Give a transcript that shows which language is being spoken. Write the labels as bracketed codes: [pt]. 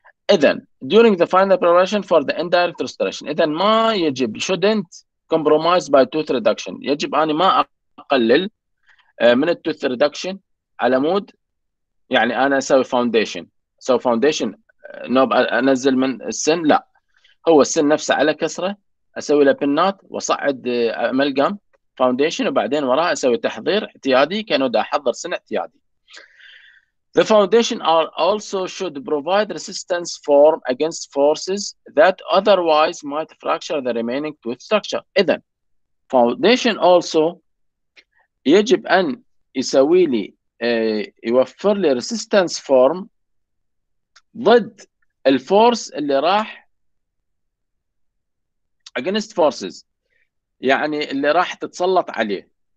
[ar] اذا [en] during the final preparation for the indirect restoration، [ar] اذا ما يجب [en] shouldn't compromise by tooth reduction، [ar] يجب اني ما اقلل من التوث ريدكشن على مود يعني انا اسوي فاونديشن. سو فاونديشن نوب انزل من السن؟ لا، هو السن نفسه على كسره، اسوي له بنات واصعد ملقم فاونديشن، وبعدين وراها اسوي تحضير اعتيادي كانه دا احضر سن اعتيادي. [en] The foundation also should provide resistance form against forces that otherwise might fracture the remaining tooth structure. [ar] اذا [en] foundation also [ar] يجب ان يسوي لي يوفر لي ريسيستنس فورم ضد الفورس اللي راح اجنست فورسز، يعني اللي راح تتسلط عليه.